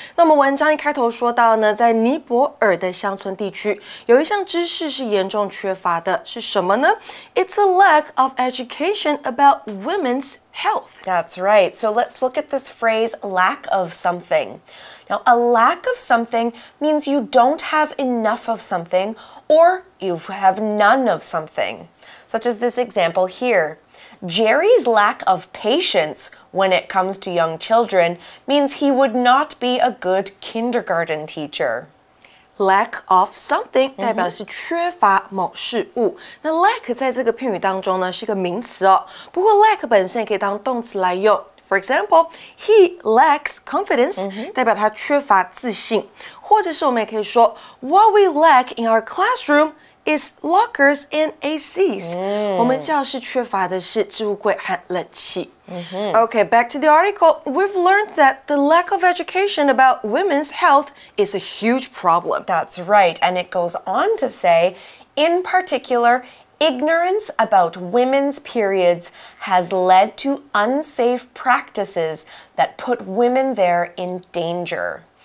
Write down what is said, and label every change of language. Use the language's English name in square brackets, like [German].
[Chinese] 那么文章一开头说到呢，在尼泊尔的乡村地区，有一项知识是严重缺乏的，是什么呢？ [English] It's a lack of education about women's health. That's right. So let's look at this phrase, lack of something. Now, a lack of something means you don't have enough of something or you have none of something. Such as this example here. Jerry's lack of patience when it comes to young children means he would not be a good kindergarten teacher. [Chinese] Lack of something 代表的是缺乏某事物。那 lack 在这个片语当中呢是一个名词哦。不过 lack 本身也可以当动词来用。 [English] For example, he lacks confidence, [Chinese] 代表他缺乏自信。或者是我们也可以说 [English] what we lack in our classroom,is lockers and ACs. [Chinese] 我们教室缺乏的是置物柜和冷气。 [English] Okay, back to the article. We've learned that the lack of education about women's health is a huge problem. That's right, and it goes on to say, in particular, ignorance about women's periods has led to unsafe practices that put women there in danger.